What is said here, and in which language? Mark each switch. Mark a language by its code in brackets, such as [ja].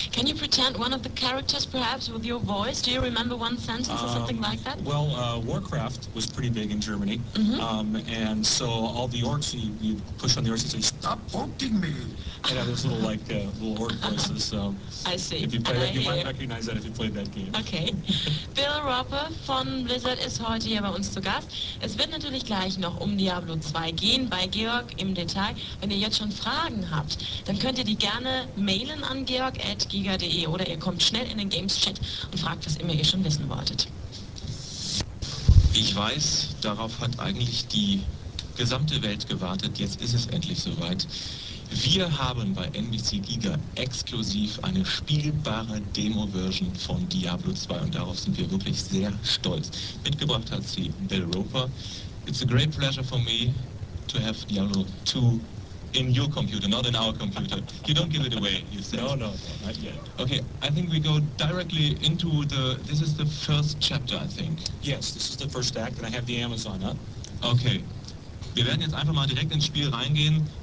[en] Can you pretend one of the characters, perhaps, with your voice? Do you remember one sentence or something like that? Well, Warcraft was pretty big in Germany, and so all the orcs, you push on the orcs and say, "Stop poking me!" And have those little, like, little orc voices, so... I see. If you play that, you might recognize that if you played that game. Okay. [de] Bill Roper von Blizzard ist heute hier bei uns zu Gast. Es wird natürlich gleich noch um Diablo 2 gehen, bei Georg im Detail. Wenn ihr jetzt schon Fragen habt, dann könnt ihr die gerne mailen an georg@giga.de oder ihr kommt schnell in den Games-Chat und fragt, was immer ihr schon wissen wolltet. Ich weiß, darauf hat eigentlich die gesamte Welt gewartet. Jetzt ist es endlich soweit. Wir haben bei NBC Giga exklusiv eine spielbare Demo-Version von Diablo 2 und darauf sind wir wirklich sehr stolz. Mitgebracht hat sie Bill Roper. [en] It's a great pleasure for me to have Diablo 2 in your computer, not in our computer. You don't give it away, you said. No, not yet. Okay, I think we go directly into this is the first chapter, I think. Yes, this is the first act and I have the Amazon up. [de] Okay, wir werden jetzt einfach mal direkt ins Spiel reingehen.